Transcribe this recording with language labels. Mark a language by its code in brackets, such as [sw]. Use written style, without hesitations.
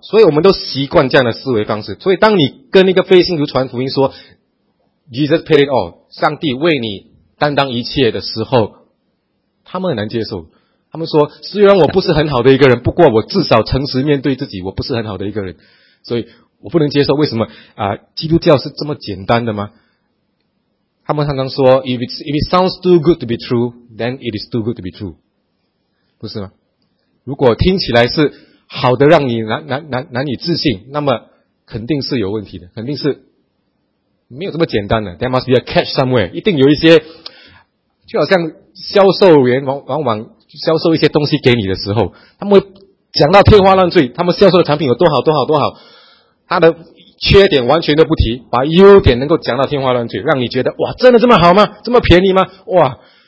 [zh] 所以我们都习惯这样的思维方式。所以当你跟一个非信徒传福音说 [en] Jesus paid it all， [zh] 上帝为你担当一切的时候，他们很难接受。他们说虽然我不是很好的一个人，不过我至少诚实面对自己，我不是很好的一个人，所以我不能接受。为什么基督教是这么简单的吗？他们常常说 [en] if it sounds too good to be true, [zh] then it is too good to be true， 不是吗？如果听起来是好的让你难以置信，那么肯定是有问题的，肯定是没有这么简单的。 [en] There must be a catch somewhere， [zh] 一定有一些，就好像销售员往往销售一些东西给你的时候，他们会讲到天花乱坠，他们销售的产品有多好多好多好，他的缺点完全都不提，把优点能够讲到天花乱坠，让你觉得哇，真的这么好吗？这么便宜吗？哇！